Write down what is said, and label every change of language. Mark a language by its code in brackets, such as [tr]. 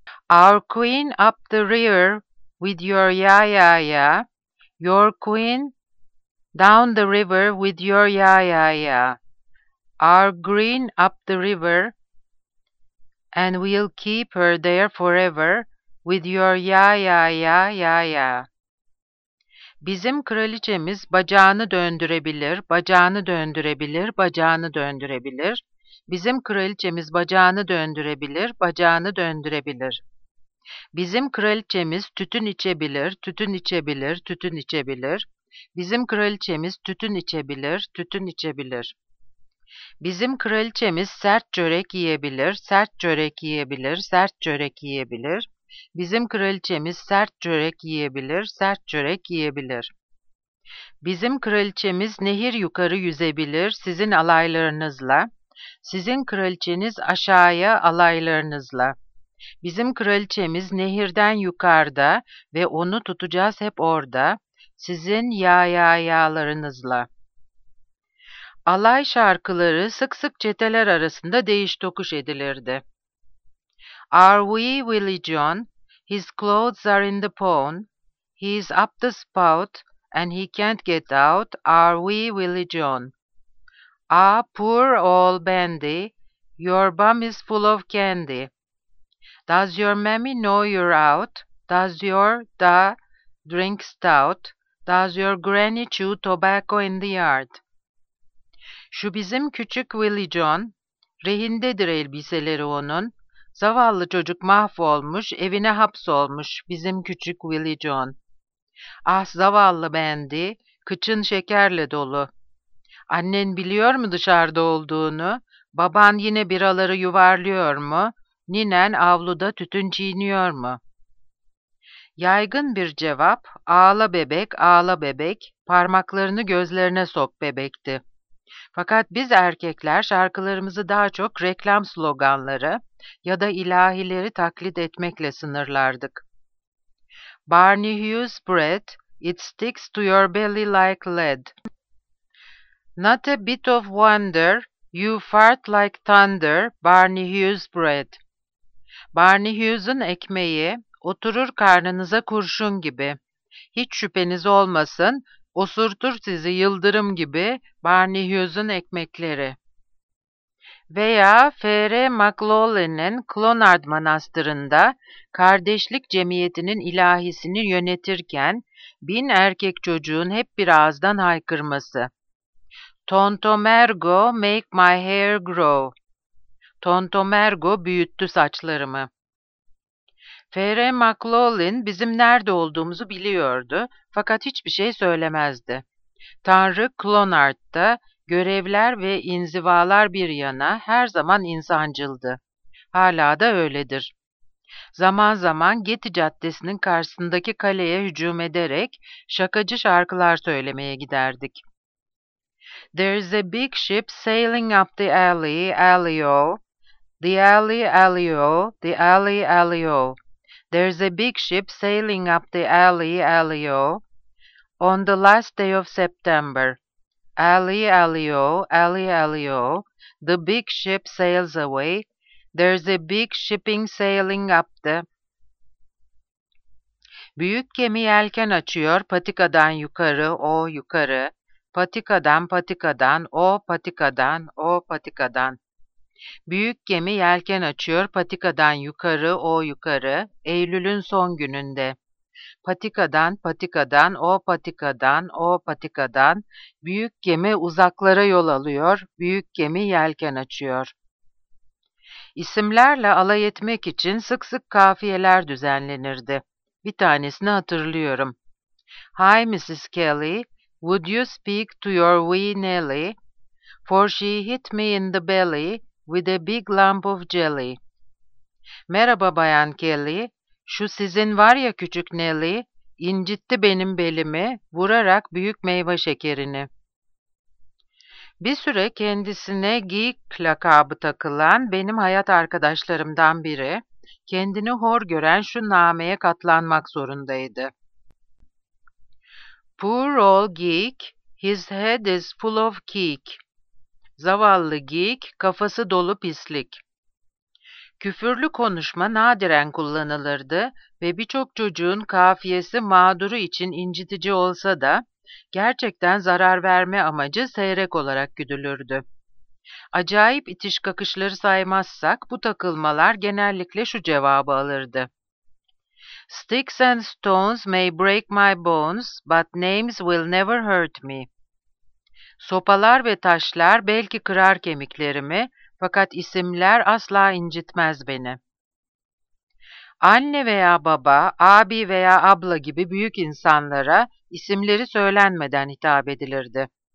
[en] Our queen up the river with your ya ya ya. Your queen down the river with your ya ya ya. Our queen up the river and we'll keep her there forever with your ya ya ya ya ya. [tr] Bizim kraliçemiz bacağını döndürebilir, bacağını döndürebilir, bacağını döndürebilir. Bizim kraliçemiz bacağını döndürebilir, bacağını döndürebilir. Bizim kraliçemiz tütün içebilir, tütün içebilir, tütün içebilir. Bizim kraliçemiz tütün içebilir, tütün içebilir. Bizim kraliçemiz sert çörek yiyebilir, sert çörek yiyebilir, sert çörek yiyebilir. Bizim kraliçemiz sert çörek yiyebilir, sert çörek yiyebilir. Bizim kraliçemiz nehir yukarı yüzebilir sizin alaylarınızla. Sizin kraliçeniz aşağıya alaylarınızla. Bizim kraliçemiz nehirden yukarıda ve onu tutacağız hep orada, sizin ya ya yalarınızla. Alay şarkıları sık sık çeteler arasında değiş tokuş edilirdi. [en] Are we Willie John? His clothes are in the pond. He's up the spout and he can't get out. Are we Willie John? Ah, poor old Bandy, your bum is full of candy. Does your mammy know you're out? Does your da drink stout? Does your granny chew tobacco in the yard? [tr] Şu bizim küçük Willie John, rehindedir elbiseleri onun. Zavallı çocuk mahvolmuş, evine hapsolmuş bizim küçük Willie John. Ah zavallı Bandy, kıçın şekerle dolu. Annen biliyor mu dışarıda olduğunu? Baban yine biraları yuvarlıyor mu? Ninen avluda tütün çiğniyor mu? Yaygın bir cevap, ağla bebek, ağla bebek, parmaklarını gözlerine sok bebekti. Fakat biz erkekler şarkılarımızı daha çok reklam sloganları ya da ilahileri taklit etmekle sınırlardık. [en] Barney Hughes Bread, it sticks to your belly like lead. Not a bit of wonder, you fart like thunder, Barney Hughes Bread. [tr] Barney Hughes'un ekmeği, oturur karnınıza kurşun gibi. Hiç şüpheniz olmasın, osurtur sizi yıldırım gibi Barney Hughes'un ekmekleri. Veya F.R. McLaughlin'in Clonard Manastırı'nda kardeşlik cemiyetinin ilahisini yönetirken bin erkek çocuğun hep bir ağızdan haykırması. [en] Tontomergo make my hair grow. [tr] Tontomergo büyüttü saçlarımı. F.R. McLaughlin bizim nerede olduğumuzu biliyordu fakat hiçbir şey söylemezdi. Tanrı Clonard'da görevler ve inzivalar bir yana her zaman insancıldı. Hala da öyledir. Zaman zaman Getty Caddesi'nin karşısındaki kaleye hücum ederek şakacı şarkılar söylemeye giderdik. [en] There's a big ship sailing up the alley, alley-o. The alley, alley-o. The alley, alley-o. There's a big ship sailing up the alley, alley-o. On the last day of September. Alley, alley-o, alley, alley-o. The big ship sails away. There's a big shipping sailing up the... [tr] Büyük gemi yelken açıyor patikadan yukarı, o yukarı. Patikadan, patikadan, o patikadan, o patikadan. Büyük gemi yelken açıyor patikadan yukarı, o yukarı. Eylül'ün son gününde. Patikadan, patikadan, o patikadan, o patikadan. Büyük gemi uzaklara yol alıyor, büyük gemi yelken açıyor. İsimlerle alay etmek için sık sık kafiyeler düzenlenirdi. Bir tanesini hatırlıyorum. [en] Hi Mrs. Kelly, would you speak to your wee Nelly? For she hit me in the belly with a big lump of jelly. [tr] Merhaba Bayan Kelly, şu sizin var ya küçük Nelly, incitti benim belimi vurarak büyük meyve şekerini. Bir süre kendisine geek lakabı takılan benim hayat arkadaşlarımdan biri, kendini hor gören şu nameye katlanmak zorundaydı. [en] Poor old geek, his head is full of geek. [tr] Zavallı geek, kafası dolu pislik. Küfürlü konuşma nadiren kullanılırdı ve birçok çocuğun kafiyesi mağduru için incitici olsa da gerçekten zarar verme amacı seyrek olarak güdülürdü. Acayip itiş kakışları saymazsak bu takılmalar genellikle şu cevabı alırdı. [en] Sticks and stones may break my bones, but names will never hurt me. [tr] Sopalar ve taşlar belki kırar kemiklerimi, fakat isimler asla incitmez beni. Anne veya baba, abi veya abla gibi büyük insanlara isimleri söylenmeden hitap edilirdi.